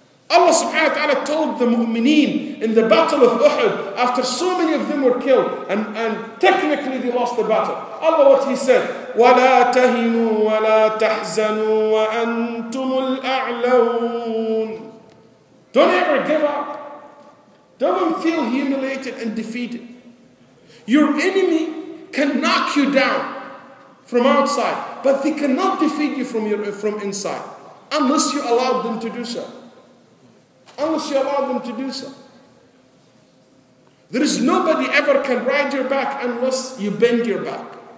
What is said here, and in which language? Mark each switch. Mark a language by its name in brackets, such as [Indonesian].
[English] Allah subhanahu wa ta'ala told the mu'mineen in the battle of Uhud, after so many of them were killed, and technically they lost the battle. Allah, what he said, [Arabic] وَلَا تَهِنُوا وَلَا تَحْزَنُوا وَأَنْتُمُ الْأَعْلَوْنَ. [English] Don't ever give up. Don't feel humiliated and defeated. Your enemy can knock you down from outside, but they cannot defeat you from inside unless you allow them to do so. Unless you allow them to do so. There is nobody ever can ride your back unless you bend your back.